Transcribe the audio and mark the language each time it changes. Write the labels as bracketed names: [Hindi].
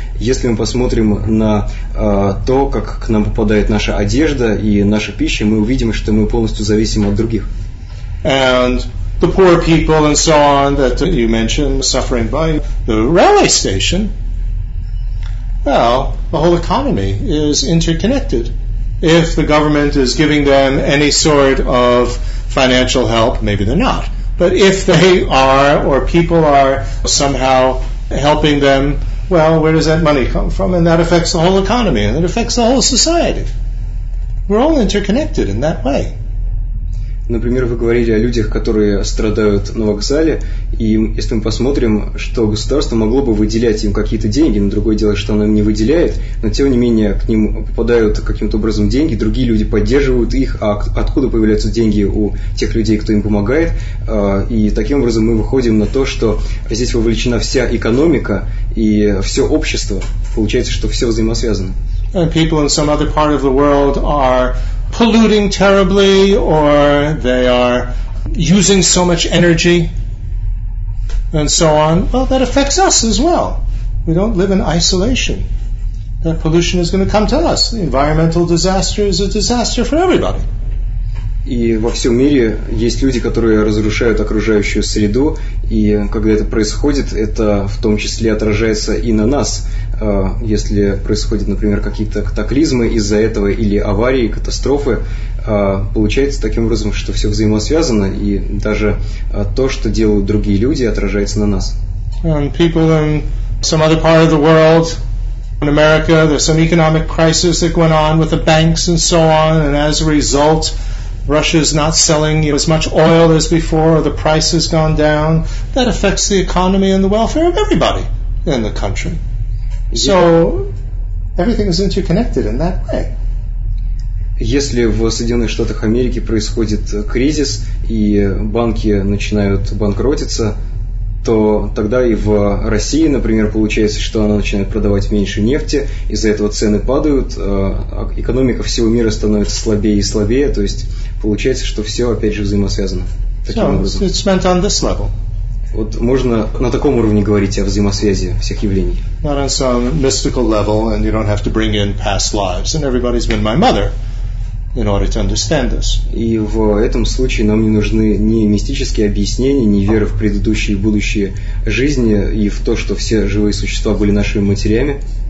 [Russian] Если мы посмотрим на то, как к нам попадает наша одежда и наша пища, мы увидим, что мы полностью зависим от других. [English] And the poor people and so on that you mentioned suffering by the railway station. Well, the whole economy is interconnected. If the government is giving them any sort of financial help, maybe they're not. But if they are, or people are somehow helping them, well, where does that money come from? And that affects the whole economy, and it affects the whole society. We're all interconnected in that way. [Russian] Например, вы говорили о людях, которые страдают на вокзале, и если мы посмотрим, что государство могло бы выделять им какие-то деньги, но другое дело, что оно им не выделяет, но тем не менее к ним попадают каким-то образом деньги, другие люди поддерживают их, а откуда появляются деньги у тех людей, кто им помогает, и таким образом мы выходим на то, что здесь вовлечена вся экономика и все общество, получается, что все взаимосвязано. [English] And people in some other part of the world are polluting terribly, or they are using so much energy, and so on. Well, that affects us as well. We don't live in isolation. That pollution is going to come to us. The environmental disaster is a disaster for everybody. [Russian] И во всем мире есть люди, которые разрушают окружающую среду, и когда это происходит, это в том числе отражается и на нас. Если происходят, например, какие-то катаклизмы из-за этого или аварии, катастрофы, получается таким образом, что все взаимосвязано, и даже то, что делают другие люди, отражается на нас. [English] And people in some other part of the world, in America, there's some economic crisis that went on with the banks and so on, and as a result, Russia is not selling as much oil as before, or the price has gone down. That affects the economy and the welfare of everybody in the country. So, everything is interconnected in that way. [Russian] Если в Соединенных Штатах Америки происходит кризис, и банки начинают банкротиться, то тогда и в России, например, получается, что она начинает продавать меньше нефти, из-за этого цены падают, экономика всего мира становится слабее и слабее, то есть получается, что все опять же взаимосвязано. [English] So, it's meant on this level. [Russian] Вот можно на таком уровне говорить о взаимосвязи всех явлений. [English] Not on some mystical level, and you don't have to bring in past lives, and everybody's been my mother. in order to understand this. [Russian] И в этом случае нам не нужны ни мистические объяснения, ни вера в предыдущие и будущие жизни и в то, что все живые существа были нашими матерями.